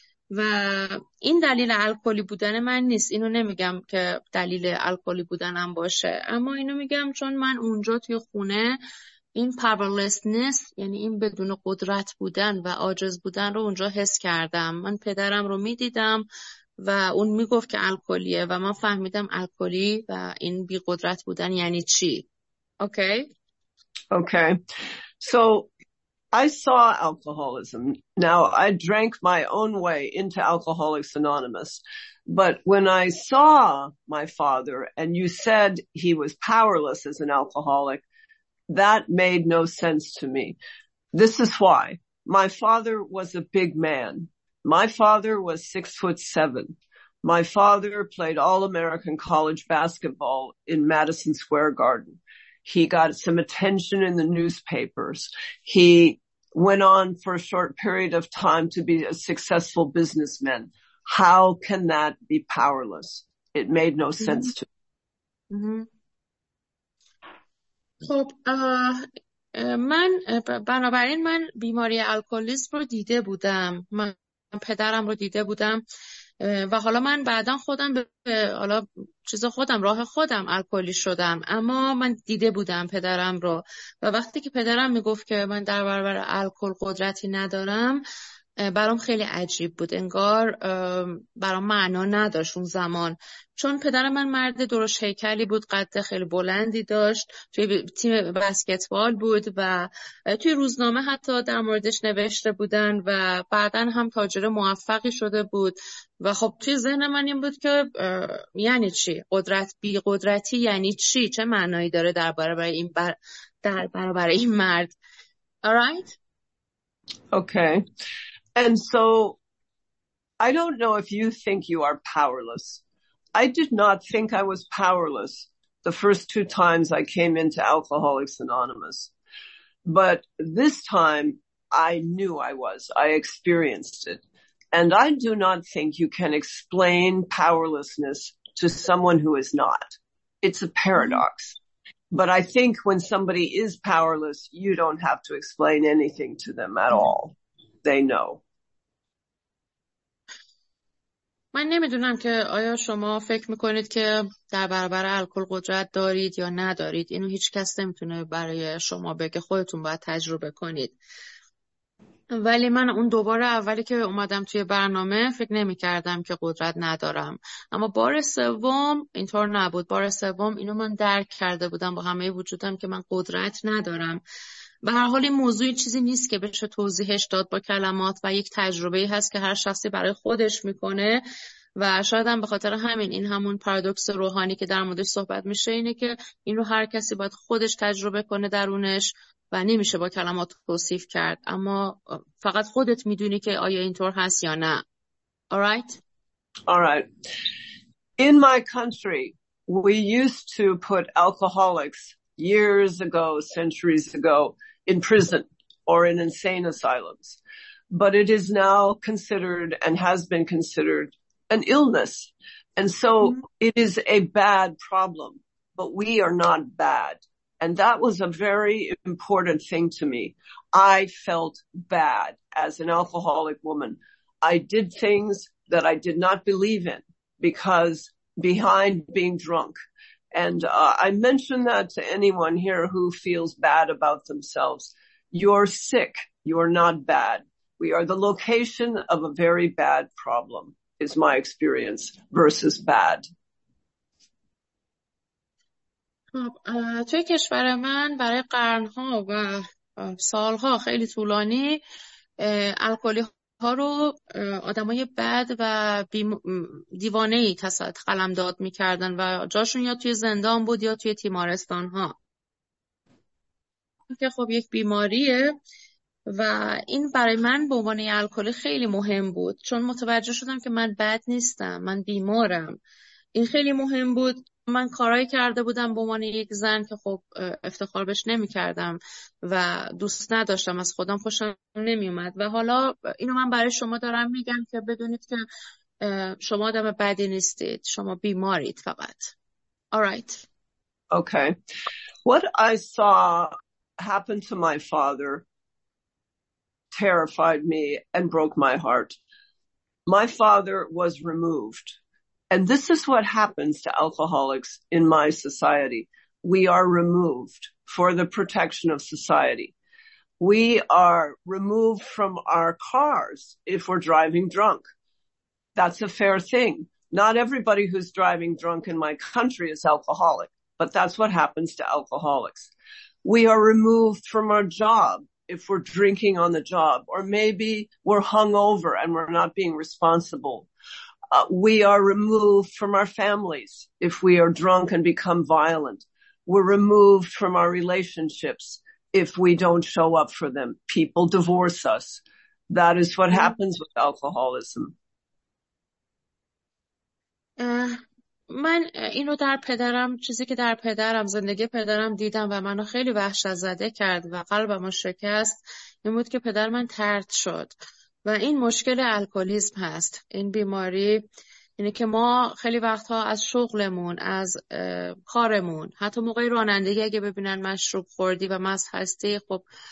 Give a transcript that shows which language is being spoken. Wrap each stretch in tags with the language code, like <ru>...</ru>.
<fa>و این دلیل الکلی بودن من نیست، اینو نمیگم که دلیل الکلی بودنم باشه، اما اینو میگم چون من اونجا توی خونه این powerlessness، یعنی این بدون قدرت بودن و عاجز بودن رو اونجا حس کردم. من پدرم رو میدیدم و اون میگفت که الکلیه و من فهمیدم الکلی و این بی قدرت بودن یعنی چی.</fa> <en>Okay okay so I saw alcoholism. Now, I drank my own way into Alcoholics Anonymous. But when I saw my father, and you said he was powerless as an alcoholic, that made no sense to me. This is why. My father was a big man. My father was 6'7". My father played All-American college basketball in Madison Square Garden. He got some attention in the newspapers. He went on for a short period of time to be a successful businessman. How can that be powerless? It made no sense to me.</en> <fa>خب من بنابراین من بیماری الکلیسم رو دیده بودم، من پدرم رو دیده بودم و حالا من بعدا خودم به حالا چیز خودم راه خودم الکلی شدم، اما من دیده بودم پدرم رو و وقتی که پدرم میگفت که من در برابر الکل قدرتی ندارم برام خیلی عجیب بود، انگار برام معنا نداشت اون زمان، چون پدر من مرد درشت هیکلی بود، قد خیلی بلندی داشت، توی تیم بسکتبال بود و توی روزنامه حتی در موردش نوشته بودن و بعدن هم تاجر موفقی شده بود و خب توی ذهن من این بود که یعنی چی قدرت، بی قدرتی یعنی چی، چه معنایی داره در برابر این در برابر این مرد.</fa> <en>alright okay. And so I don't know if you think you are powerless. I did not think I was powerless the first two times I came into Alcoholics Anonymous. But this time I knew I was. I experienced it. And I do not think you can explain powerlessness to someone who is not. It's a paradox. But I think when somebody is powerless, you don't have to explain anything to them at all. They know.</en> <fa>من نمیدونم که آیا شما فکر میکنید که در برابر الکل قدرت دارید یا ندارید. اینو هیچ کس نمیتونه برای شما بگه، خودتون باید تجربه کنید. ولی من اون دوباره اولی که اومدم توی برنامه فکر نمیکردم که قدرت ندارم. اما بار سوم اینطور نبود. بار سوم اینو من درک کرده بودم با همه وجودم که من قدرت ندارم. به هر حال این موضوعی چیزی نیست که بشه توضیحش داد با کلمات و یک تجربه هست که هر شخصی برای خودش میکنه و شاید هم به خاطر همین این همون پارادوکس روحانی که در موردش صحبت میشه، اینه که این رو هر کسی باید خودش تجربه کنه درونش و نمیشه با کلمات توصیف کرد، اما فقط خودت میدونی که آیا اینطور هست یا نه.</fa> <en>All right. In my country we used to put alcoholics years ago, centuries ago, in prison or in insane asylums. But it is now considered and has been considered an illness. And so it is a bad problem, but we are not bad. And that was a very important thing to me. I felt bad as an alcoholic woman. I did things that I did not believe in because behind being drunk. And I mention that to anyone here who feels bad about themselves. You're sick. You're not bad. We are the location of a very bad problem, is my experience, versus bad.</en> <fa>توی کشور من برای قرن‌ها و سال‌ها خیلی طولانی الکلی‌ها رو آدمای بد و دیوانه‌ای تصد قلم داد می کردن و جاشون یا توی زندان بود یا توی تیمارستان ها که خب یک بیماریه و این برای من به عنوان یک الکلی خیلی مهم بود، چون متوجه شدم که من بد نیستم، من بیمارم. این خیلی مهم بود. من کارهایی کرده بودم به عنوان یک زن که خب افتخار بهش نمی کردم و دوست نداشتم، از خودم خوشم نمی اومد و حالا اینو من برای شما دارم میگم که بدونید که شما آدم بدی نیستید، شما بیمارید فقط.</fa> <en>Alright. Okay. What I saw happen to my father terrified me and broke my heart. My father was removed. And this is what happens to alcoholics in my society. We are removed for the protection of society. We are removed from our cars if we're driving drunk. That's a fair thing. Not everybody who's driving drunk in my country is alcoholic, but that's what happens to alcoholics. We are removed from our job if we're drinking on the job, or maybe we're hungover and we're not being responsible. We are removed from our families if we are drunk and become violent. We're removed from our relationships if we don't show up for them. People divorce us. That is what happens with alcoholism.</en> <fa>من اینو در پدرم چیزی که در پدرم زندگی پدرم دیدم و منو خیلی وحشت زده کرد و قلبمو شکست این بود که پدر من طرد شد و این مشکل الکلیسم هست این بیماری اینه که ما خیلی وقتها از شغلمون از کارمون حتی موقع رانندگی اگه ببینن مشروب خوردی و مست هستی خب</fa>